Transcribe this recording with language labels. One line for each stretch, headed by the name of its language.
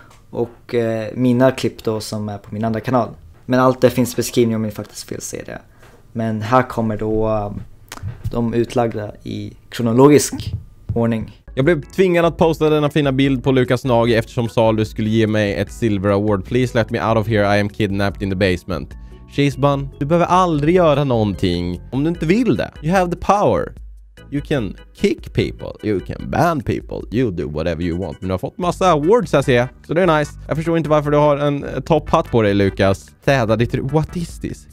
Swedish: Och mina klipp då som är på min andra kanal. Men allt det finns i beskrivningen om ni faktiskt vill se det. Men här kommer då de utlagda i kronologisk ordning. Jag blev tvingad att posta denna fina bild på Lukas Nagy eftersom Salu skulle ge mig ett silver award.
English: Please let me out of here, I am kidnapped in the basement.
Swedish: Cheesebun, du behöver aldrig göra någonting om du inte vill det.
English: You have the power. You can kick people, you can ban people, you do whatever you want.
Swedish: Men du har fått massa awards här, ser jag. Så det är nice. Jag förstår inte varför du har en topphatt på dig, Lukas. Städa ditt...
English: What is this?